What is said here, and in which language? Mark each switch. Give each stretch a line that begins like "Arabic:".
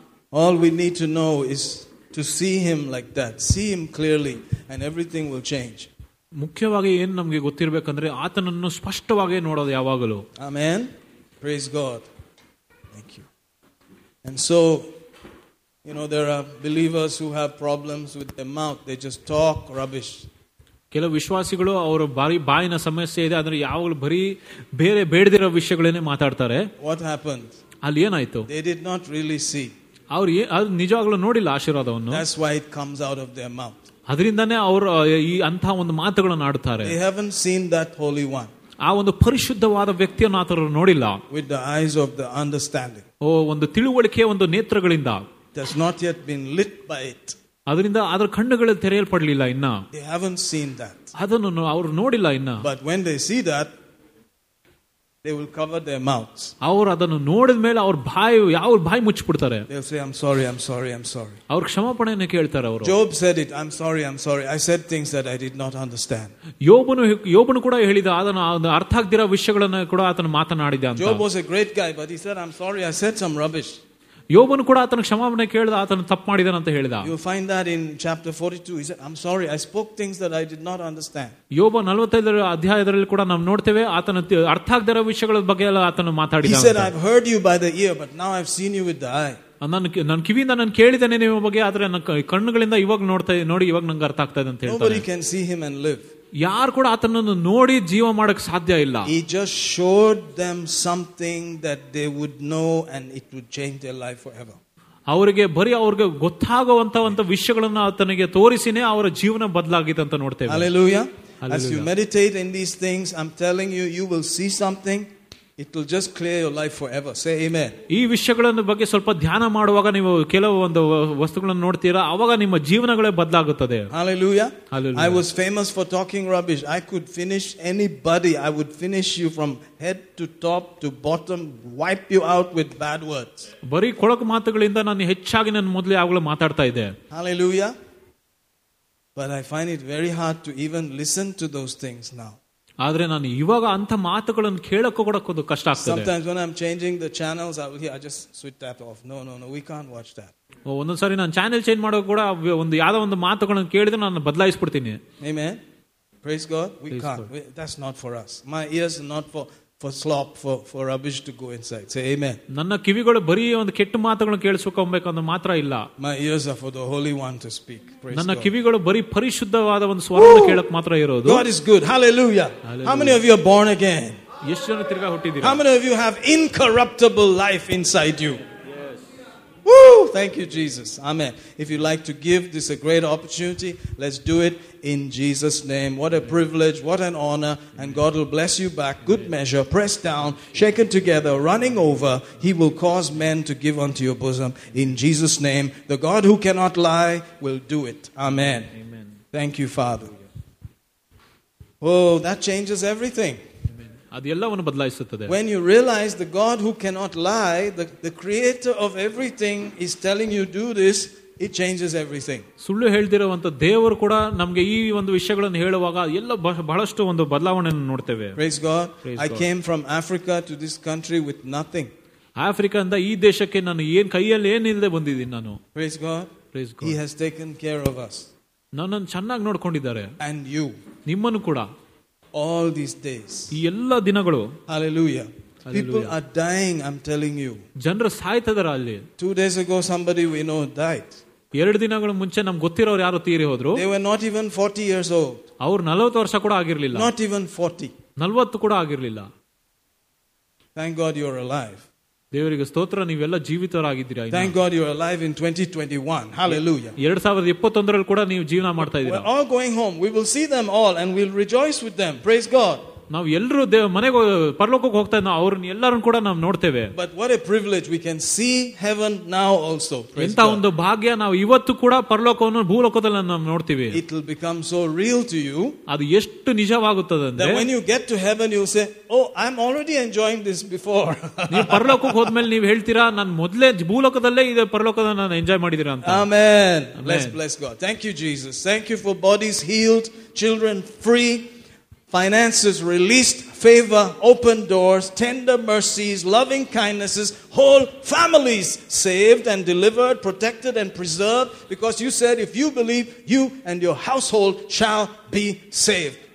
English: All we need to know is to see him like that. See him clearly and everything will change.
Kannada: ಮುಖ್ಯವಾಗಿ ಏನು ನಮಗೆ ಗೊತ್ತಿರಬೇಕಂದ್ರೆ ಆತನನ್ನು ಸ್ಪಷ್ಟವಾಗಿ ನೋಡೋದು ಯಾವಾಗಲೂ.
English: Amen. Praise God. Thank you. And so you know there are believers who have problems with their mouth. They just talk rubbish.
Kannada: ಕೆಲ ವಿಶ್ವಾಸಿಗಳು ಅವರ ಬಾರಿ ಬಾಯಿನ ಸಮಸ್ಯೆ ಇದೆ ಅಂದ್ರೆ ಯಾವಾಗಲೂ ಬರೀ ಬೇರೆ ಬೇಡದಿರೋ ವಿಷಯಗಳೇ ಮಾತಾಡ್ತಾರೆ.
English: What happened?
Kannada: ಅಲ್ಲಿ ಏನಾಯ್ತು?
English: They did not really see.
Kannada: ಅವ್ರು ಅದು ನಿಜವಾಗ್ಲೂ ನೋಡಿಲ್ಲ ಆಶೀರ್ವಾದವನ್ನು.
English: That's why it comes out of their mouth.
Kannada: ಅದರಿಂದಾನೆ ಅವರು ಈ ಅಂತ ಒಂದು ಮಾತುಗಳನ್ನು ಆಡುತ್ತಾರೆ.
English: They haven't seen that holy one.
Kannada: ಆ ಒಂದು ಪರಿಶುದ್ಧವಾದ ವ್ಯಕ್ತಿಯನ್ನು ಆತರ ನೋಡಿಲ್ಲ.
English: With the eyes of the understanding.
Kannada: ಓ ಒಂದು ತಿಳುವಳಿಕೆ ಒಂದು ನೇತ್ರಗಳಿಂದ.
English: has not yet been lit by it.
Kannada: ಅದರಿಂದ ಅದರ ಕಣ್ಣುಗಳಲ್ಲಿ ತೆರೆಯಲ್ಪಡಲಿಲ್ಲ ಇನ್ನ.
English: They haven't seen that.
Kannada: ಅದನ್ನು ಅವರು ನೋಡಿಲ್ಲ ಇನ್ನ.
English: But when they see that, they will cover their mouths.
Kannada: ಅವರು ಅದನ್ನು ನೋಡಿದ ಮೇಲೆ ಅವ್ರ ಬಾಯಿ ಯಾವ ಬಾಯಿ ಮುಚ್ಚಿಬಿಡ್ತಾರೆ.
English: They say, I'm sorry.
Kannada: ಅವ್ರು ಕ್ಷಮಾಪಣೆಯನ್ನು ಕೇಳ್ತಾರೆ ಅವರು.
English: Job said it, I'm sorry. I said things that I did not understand.
Kannada: ಯೋಬನು ಕೂಡ ಹೇಳಿದ ಅದನ್ನು ಅರ್ಥ ಆಗದಿರೋ ವಿಷಯಗಳನ್ನು ಕೂಡ ಆತನು ಮಾತನಾಡಿದ ಅಂತ.
English: Job was a great guy, but he said, I'm sorry, I said some rubbish.
Kannada: ಯೋಬನು ಕೂಡ ಆತನ ಕ್ಷಮಾಪಣೆ ಕೇಳಿದ ಆತನು ತಪ್ಪು ಮಾಡಿದನ ಅಂತ ಹೇಳಿದ.
English: You find that in chapter 42. He said, I'm sorry, I spoke things that I did not understand.
Kannada: ಯೋಬ 45ರ ಅಧ್ಯಾಯದಲ್ಲಿ ಕೂಡ ನಾವು ನೋಡ್ತೇವೆ ಆತನ ಅರ್ಥ ಆಗದಿರ ವಿಷಯಗಳ ಬಗ್ಗೆ ಎಲ್ಲ ಆತನು ಮಾತಾಡಿದ.
English: He said, I've heard you by the ear, but now I've seen you with the eye.
Kannada: ನನ್ನ ಕಿವಿಯಿಂದ ನಾನು ಕೇಳಿದ್ದೇನೆ ನಿಮ್ಮ ಬಗ್ಗೆ, ಆದ್ರೆ ನನ್ನ ಕಣ್ಣುಗಳಿಂದ ಇವಾಗ ನೋಡ್ತಾ ನೋಡಿ ಇವಾಗ ನಂಗೆ ಅರ್ಥ ಆಗ್ತಾ ಇದೆ ಅಂತ ಹೇಳ್ತಾರೆ.
English: Nobody can see him and live.
Kannada: ಯಾರು ಕೂಡ ಆತನನ್ನು ನೋಡಿ ಜೀವ ಮಾಡಕ್ ಸಾಧ್ಯ ಇಲ್ಲ.
English: He just showed them something that they would know and it would change their life forever.
Kannada: ಅವರಿಗೆ ಬರೀ ಅವ್ರಿಗೆ ಗೊತ್ತಾಗುವಂತ ಒಂದು ವಿಷಯಗಳನ್ನು ಆತನಿಗೆ ತೋರಿಸಿನೇ ಅವರ ಜೀವನ ಬದಲಾಗಿದೆ ಅಂತ ನೋಡ್ತೇವೆ.
English: Hallelujah. As you meditate in these things, I'm telling you, you will see something. It will just clear your life forever. Say amen.
Kannada: ಈ ವಿಷಯಗಳನ್ನು ಬಗ್ಗೆ ಸ್ವಲ್ಪ ಧ್ಯಾನ ಮಾಡುವಾಗ ನೀವು ಕೆಲವು ಒಂದು ವಸ್ತುಗಳನ್ನು ನೋಡ್ತೀರಾ, ಅವಾಗ ನಿಮ್ಮ ಜೀವನಗಳೇ ಬದಲಾಗುತ್ತದೆ.
English: Hallelujah. Hallelujah. I was famous for talking rubbish. I could finish anybody. I would finish you from head to top to bottom, wipe you out with bad words.
Kannada: ಬರಿ ಕೊಳಕು ಮಾತುಗಳಿಂದ ನಾನು ಹೆಚ್ಚಾಗಿ ನನ್ನ ಮೊದಲೇ ಆಗಲೇ ಮಾತಾಡ್ತಾ ಇದ್ದೆ.
English: Hallelujah. But I find it very hard to even listen to those things now.
Kannada: ಆದ್ರೆ ನಾನು ಇವಾಗ ಅಂತ ಮಾತುಗಳನ್ನು ಕೇಳಕ್ಕೂ ಕೂಡ ಒಂದು ಕಷ್ಟ ಆಗ್ತದೆ.
English: Sometimes when I'm changing the channels, I just switch that off. No, we can't watch that.
Kannada: ಒಂದೊಂದು ಸಾರಿ ನಾನು ಚಾನೆಲ್ ಚೇಂಜ್ ಮಾಡೋ ಕೂಡ ಒಂದು ಯಾವ್ದೋ ಒಂದು ಮಾತುಗಳನ್ನು ಕೇಳಿದ್ರೆ ನಾನು ಬದಲಾಯಿಸ್ಬಿಡ್ತೀನಿ.
English: Amen. Praise God. We can't. That's not for us. My ears are not for slop, for rubbish to go inside. Say amen.
Kannada: ನನ್ನ ಕಿವಿಗಳು ಬರೀ ಒಂದು ಕೆಟ್ಟ ಮಾತುಗಳನ್ನು ಕೇಳಿಸ್ಕೊಂಬೇಕು ಅಂತ ಮಾತ್ರ ಇಲ್ಲ.
English: My ears are for the Holy One to speak. Praise
Kannada: ನನ್ನ ಕಿವಿಗಳು ಬರೀ ಪರಿಶುದ್ಧವಾದ ಒಂದು ಸ್ವರವನ್ನು ಕೇಳಕ್ ಮಾತ್ರ ಇರೋದು.
English: God is good. Hallelujah. How many of you are born again?
Kannada: ಎಷ್ಟು ಜನ ತಿರ್ಗಾ ಹುಟ್ಟಿದ್ದೀರಾ?
English: How many of you have incorruptible life inside you? Yes. Thank you, Jesus. Amen. If you'd like to give this a great opportunity, let's do it in Jesus' name. What a privilege, what an honor, and God will bless you back. Good measure, pressed down, shaken together, running over, He will cause men to give unto your bosom in Jesus' name. The God who cannot lie will do it. Amen. Amen. Thank you, Father. Oh, that changes everything.
Kannada: ಅದೆಲ್ಲವನ್ನು ಬದಲಾಯಿಸುತ್ತದೆ.
English: When you realize the God who cannot lie, the creator of everything is telling you do this, it changes everything.
Kannada: ಸುಳ್ಳು ಹೇಳ್ತಿರುವಂತ ದೇವರು ಕೂಡ ನಮಗೆ ಈ ಒಂದು ವಿಷಯಗಳನ್ನು ಹೇಳುವಾಗ ಎಲ್ಲ ಬಹಳಷ್ಟು ಒಂದು ಬದಲಾವಣೆಯನ್ನು ನೋಡ್ತೇವೆ.
English: Praise God. I came from Africa to this country with nothing.
Kannada: ಆಫ್ರಿಕಾದಿಂದ ಈ ದೇಶಕ್ಕೆ ನಾನು ಏನ್ ಕೈಯಲ್ಲಿ ಏನಿಲ್ಲದೆ ಬಂದಿದ್ದೀನಿ ನಾನು.
English: Praise God. Praise God. He has taken care of us.
Kannada: ನನ್ನನ್ನು ಚೆನ್ನಾಗಿ ನೋಡ್ಕೊಂಡಿದ್ದಾರೆ.
English: And you.
Kannada: ನಿಮ್ಮನ್ನು ಕೂಡ.
English: All these days.
Kannada: ಎಲ್ಲ ದಿನಗಳು.
English: Hallelujah. People are dying, I'm telling you.
Kannada: ಜನರು ಸಾಯ್ತಿದ್ದಾರೆ ಅಲ್ಲಿ.
English: 2 days ago somebody we know died.
Kannada: ಎರಡು ದಿನಗಳ ಮುಂಚೆ ನಮ್ ಗೊತ್ತಿರೋರು ಯಾರು ತೀರಿ ಹೋದ್ರು.
English: They were not even 40 years old.
Kannada: ಅವ್ರು 40 ವರ್ಷ ಕೂಡ ಆಗಿರಲಿಲ್ಲ.
English: Not even 40.
Kannada: 40 ಕೂಡ ಆಗಿರಲಿಲ್ಲ.
English: Thank God you're alive.
Kannada: ದೇವರಿಗೆ ಸ್ತೋತ್ರ, ನೀವೆಲ್ಲ ಜೀವಿತರಾಗಿದ್ದೀರಾ.
English: Thank God you are alive in 2021. Hallelujah.
Kannada: 2021 ರಲ್ಲಿ ಕೂಡ ನೀವು ಜೀವನ ಮಾಡ್ತಾ ಇದ್ದೀರಾ.
English: We are all going home. We will see them all and we'll rejoice with them. Praise God.
Kannada: ನಾವು ಎಲ್ಲರೂ ಮನೆಗೆ ಪರಲೋಕಕ್ಕೆ ಹೋಗ್ತಾ ಇದ್ದೀವಿ, ಅವರನ್ನ ಎಲ್ಲರನ್ನು ಕೂಡ ನಾವು ನೋಡ್ತೇವೆ.
English: But what a privilege we can see heaven now also.
Kannada: ಎಂತ ಒಂದು ಭಾಗ್ಯ, ನಾವು ಇವತ್ತು ಕೂಡ ಪರಲೋಕವನ್ನು ಭೂಲೋಕದಲ್ಲಿ ನಾವು ನೋಡ್ತೀವಿ.
English: It will become so real to you.
Kannada: ಅದು ಎಷ್ಟು ನಿಜವಾಗುತ್ತದೆ ಅಂದ್ರೆ,
English: when you get to heaven you say, oh, I'm already enjoying this before.
Kannada: ನೀವು ಪರಲೋಕಕ್ಕೆ ಹೋದ್ಮೇಲೆ ನೀವು ಹೇಳ್ತೀರಾ, ನಾನು ಮೊದಲೇ ಭೂಲೋಕದಲ್ಲೇ ಇದೆ ಪರಲೋಕದಲ್ಲಿ ನಾನು ಎಂಜಾಯ್ ಮಾಡಿದಿರಾ ಅಂತ.
English: Amen. Bless God. Thank you, Jesus. Thank you for bodies healed, children free, finances released, favor, open doors, tender mercies, loving kindnesses, whole families saved and delivered, protected and preserved, because you said if you believe, you and your household shall be saved.